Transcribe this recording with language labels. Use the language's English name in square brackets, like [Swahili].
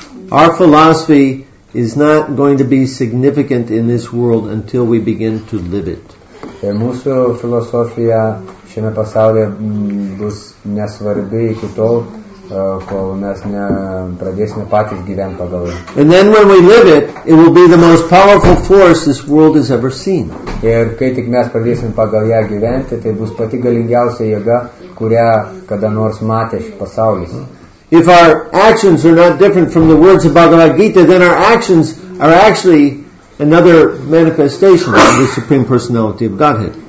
[English] Our philosophy is not going to be significant in this world until we begin to live it. [Lithuanian] Ir mūsų filosofija šiame pasaulyje bus nesvarbi iki tol, kol mes nepradėsime patys gyventi pagal jį. [English] And then when we live it, it will be the most powerful force this world has ever seen. [Lithuanian] Ir kai tik mes pradėsime pagal ją gyventi, tai bus pati galingiausia jėga, kurią kada nors matė šis pasaulis. [English] If our actions are not different from the words of Bhagavad Gita, then our actions are actually another manifestation of the Supreme Personality of Godhead.